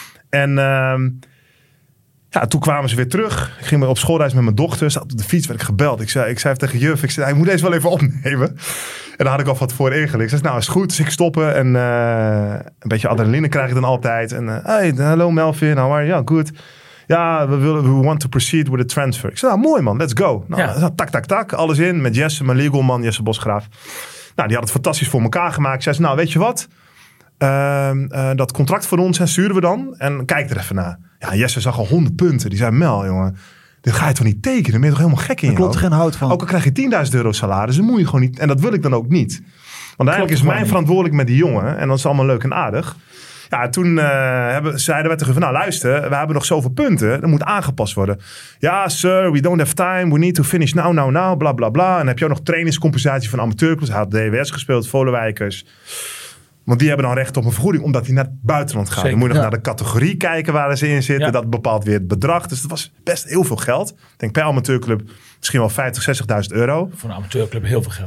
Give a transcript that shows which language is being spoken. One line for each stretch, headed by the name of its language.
Dutch: En toen kwamen ze weer terug. Ik ging op schoolreis met mijn dochter. Zat op de fiets, werd ik gebeld. Ik zei tegen juf, ik moet deze wel even opnemen. En daar had ik al wat voor ingelicht. Ik zei, is goed. Dus ik stoppen. En een beetje adrenaline krijg ik dan altijd.
English: En hello Melvin, how are you? Ja, good. Ja, we want to proceed with the transfer.
Dutch: Ik zei, mooi man,
English: let's go.
Dutch: Tak, tak, tak. Alles in met Jesse, mijn legal man, Jesse Bosgraaf. Die had het fantastisch voor elkaar gemaakt. Ik zei, weet je wat? Dat contract voor ons sturen we dan. En kijk er even naar. Ja, Jesse zag al 100 punten. Die zei, Mel, jongen, dit ga je toch niet tekenen? Dan ben je toch helemaal gek in, joh? Klopt er geen hout van. Ook al krijg je 10.000 euro salaris, dan moet je gewoon niet. En dat wil ik dan ook niet. Want eigenlijk is mijn verantwoordelijk met die jongen. En dat is allemaal leuk en aardig. Ja, toen zeiden we tegen van, luister, we hebben nog zoveel punten. Dat moet aangepast worden.
English: Ja, sir, we don't have time. We need to finish now, bla, bla, bla.
Dutch: En heb je ook nog trainingscompensatie van amateurclubs? Hij had DWS gespeeld, Volewijkers. Want die hebben dan recht op een vergoeding, omdat die naar het buitenland gaan. Zeker, dan moet je nog naar de categorie kijken waar ze in zitten. Ja. Dat bepaalt weer het bedrag. Dus dat was best heel veel geld. Ik denk per amateurclub misschien wel 50.000, 60.000 euro. Voor een amateurclub heel veel geld.